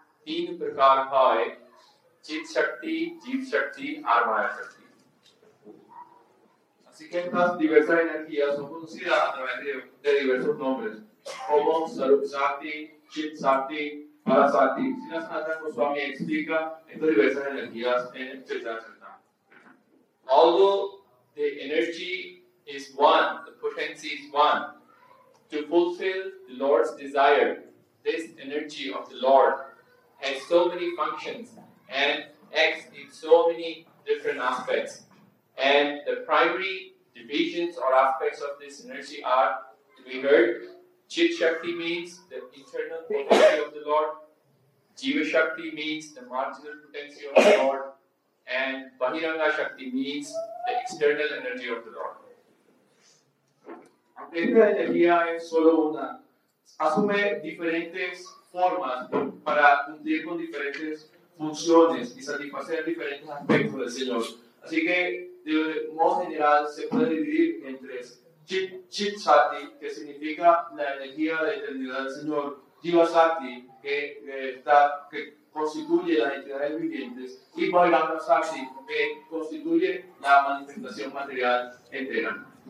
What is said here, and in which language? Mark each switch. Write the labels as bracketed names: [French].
[Hindi] तीन प्रकार है, चित शक्ति, जीव शक्ति और माया शक्ति. [Spanish] Así que estas diversas energías son conocidas a través de diversos nombres, como Sarup Shakti, Chit Shakti, Para Shakti. Srila Sanatana Goswami explica estas diversas energías en Chaitanya. [English] Although the energy is one, the potency is one, to fulfill the Lord's desire, this energy of the Lord has so many functions and acts in so many different aspects. And the primary divisions or aspects of this energy are, to be heard, Chit Shakti means the internal potency of the Lord, Jiva Shakti means the marginal potency of the Lord, and Bahiranga Shakti means the external energy of the Lord. [Spanish] Aunque esta energía es solo una, asume diferentes formas para cumplir con diferentes funciones y satisfacer diferentes aspectos del Señor. Así que, de modo general, se puede dividir entre Chit Shakti, que significa la energía de eternidad del Señor, Jiva Shakti, que constituye las entidades vivientes, y Bhairanga Shakti, que constituye la manifestación material entera.